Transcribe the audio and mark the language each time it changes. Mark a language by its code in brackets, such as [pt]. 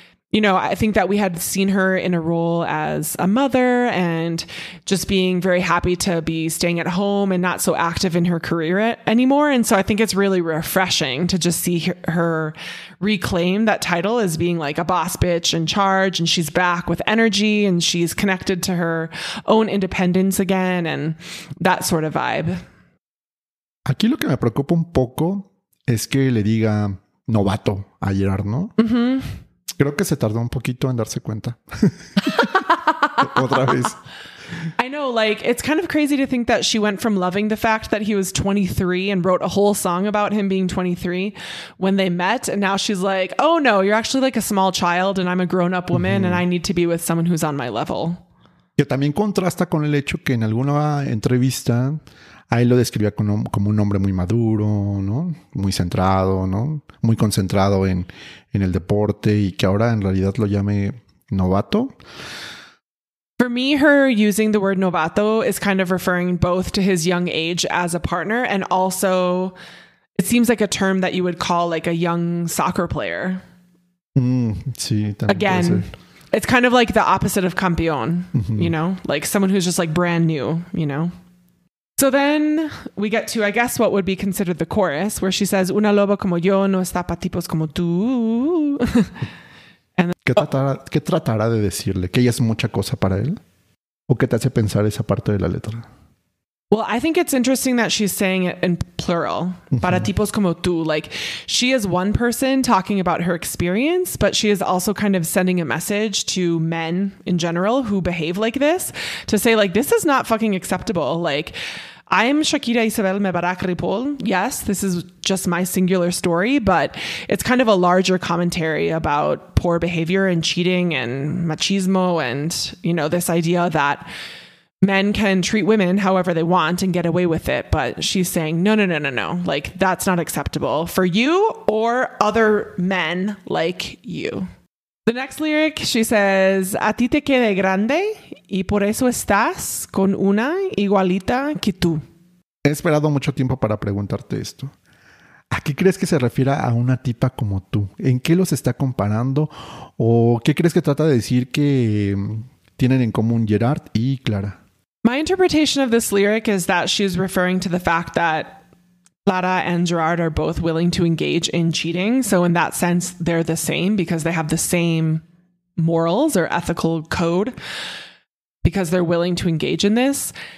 [en] You know, I think that we had seen her in a role as a mother and just being very happy to be staying at home and not so active in her career anymore. And so I think it's really refreshing to just see her reclaim that title as being like a boss bitch in charge. And she's back with energy and she's connected to her own independence again and that sort of vibe. [es] Aquí lo que me preocupa un poco es que le diga novato a Gerard, ¿no? Mm-hmm. Creo que se tardó un poquito en darse cuenta. Otra vez. [en] I know, like, it's kind of crazy to think that she went from loving the fact that he was 23 and wrote a whole song about him being 23 when they met. And now she's like, oh no, you're actually like a small child and I'm a grown up woman and I need to be with someone who's on my level. [es] Que también contrasta con el hecho que en alguna entrevista a él lo describía como un hombre muy maduro, ¿no? Muy centrado, ¿no? Muy concentrado en el deporte y que ahora en realidad lo llame novato. [en] For me, her using the word novato is kind of referring both to his young age as a partner and also it seems like a term that you would call like a young soccer player. [es] Sí, también. [en] Again, it's kind of like the opposite of campeón, you know? Like someone who's just like brand new, you know? So then we get to, I guess, what would be considered the chorus, where she says, [es] una loba como yo no está pa tipos como tú. [en] And then, [es] ¿Qué tratará de decirle? ¿Que ella es mucha cosa para él? ¿O qué te hace pensar esa parte de la letra? [en] Well, I think it's interesting that she's saying it in plural, [es] para tipos como tú. [en] Like, she is one person talking about her experience, but she is also kind of sending a message to men in general who behave like this to say, like, this is not fucking acceptable. Like, I'm Shakira Isabel Mebarak Ripoll. Yes, this is just my singular story, but it's kind of a larger commentary about poor behavior and cheating and machismo and, you know, this idea that men can treat women however they want and get away with it. But she's saying, no, no, no, no, no. Like, that's not acceptable for you or other men like you. The next lyric, she says, [es] a ti te quede grande y por eso estás con una igualita que tú. He esperado mucho tiempo para preguntarte esto. ¿A qué crees que se refiere a una tipa como tú? ¿En qué los está comparando? ¿O qué crees que trata de decir que tienen en común Gerard y Clara? [en] My interpretation of this lyric is that she's referring to the fact that Clara and Gerard are both willing to engage in cheating. So in that sense, they're the same because they have the same morals or ethical code because they're willing to engage in this.